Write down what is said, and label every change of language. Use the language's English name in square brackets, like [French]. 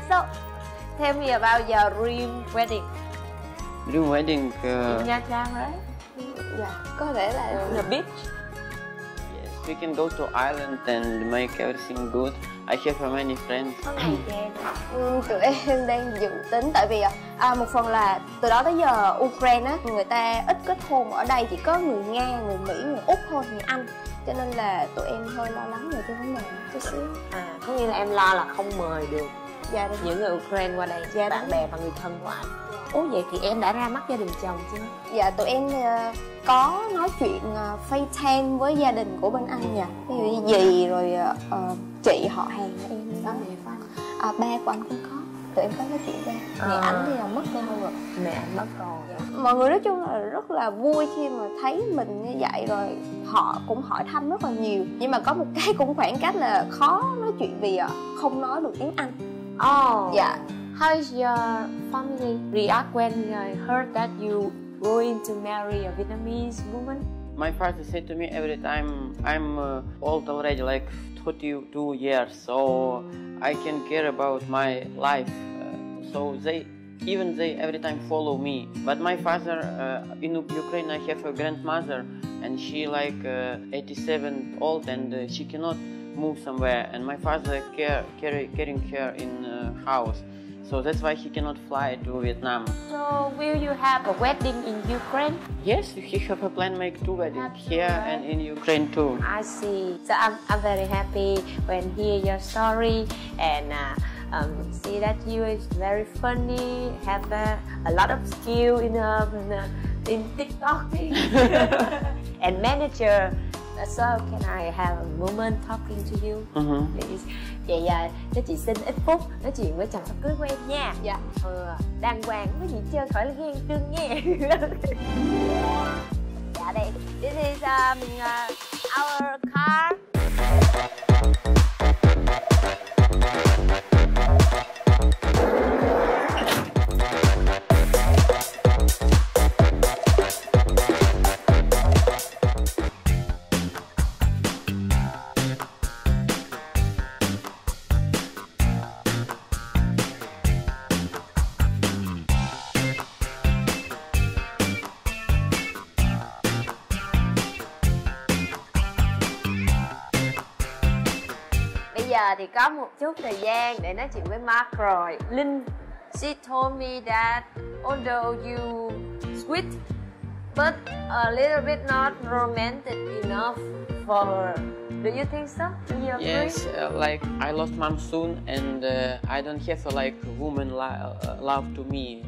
[English] So tell me about your dream wedding. Dream wedding. In Nha Trang, right? [Vietnamese] Yeah, có thể là [English] on the beach. Yes, we can go to island and make everything good. I have many friends. [Vietnamese] Tụi em đang dự tính, tại vì một phần là từ đó tới giờ Ukraine á, người ta ít kết hôn, ở đây chỉ có người Nga, người Mỹ, người Úc thôi, người Anh. Cho nên là tụi em hơi lo lắng về cái vấn đề chút xíu. À, có nghĩa là em lo là không mời được. Dạ, đúng. Những người Ukraine qua đây, dạ, bạn bè và người thân của anh. Ủa vậy thì em đã ra mắt gia đình chồng chưa? Dạ tụi em có nói chuyện FaceTime với gia đình của bên anh nhỉ. Ví dụ dì rồi chị họ hàng của em đó. Mẹ của anh? À, ba của anh cũng có. Tụi em có nói chuyện ba. Mẹ anh thì là mất rồi. Mẹ anh mất rồi. Mọi người nói chung là rất là vui khi mà thấy mình như vậy, rồi họ cũng hỏi thăm rất là nhiều. Nhưng mà có một cái cũng khoảng cách là khó nói chuyện vì không nói được tiếng Anh. [English] Oh. Yeah. How is your family react when I heard that you going to marry a Vietnamese woman? My father said to me every time, I'm old already, like 32 years, so I can care about my life. So they every time follow me. But my father in Ukraine, I have a grandmother, and she like 87 old, and she cannot move somewhere. And my father caring her in house. So that's why he cannot fly to Vietnam. So will you have a wedding in Ukraine? Yes, he have a plan make two weddings here, right? And in Ukraine too. I see. So I'm very happy when hear your story and see that you is very funny, have a lot of skill in TikToking and manager. So can I have a moment talking to you, please? [Vietnamese] Vậy cho chị xin ít phút nói chuyện với chồng sắp cưới của em nha. Dạ. Ừ, đàng hoàng với chị chơi khỏi là ghen tương nha. Dạ đây, [English] this is our car. [Vietnamese] Thì có một chút thời gian để nói chuyện với Mark rồi. [English] Linh, she told me that although you sweet but a little bit not romantic enough for her. Do you think so? Do you agree? Yes, like I lost mom soon and I don't have a like woman love to me.